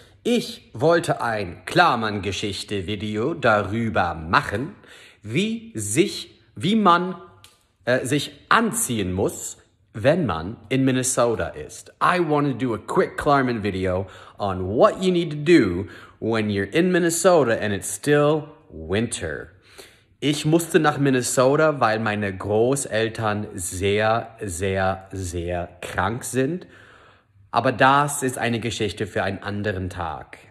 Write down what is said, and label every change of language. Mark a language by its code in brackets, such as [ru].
[de] Ich wollte ein Klarmann-Geschichte-Video darüber machen, wie man sich anziehen muss, wenn man in Minnesota ist. [en] I want to do a quick Klarmann video on what you need to do when you're in Minnesota and it's still winter. [de] Ich musste nach Minnesota, weil meine Großeltern sehr, sehr, sehr krank sind. Aber das ist eine Geschichte für einen anderen Tag.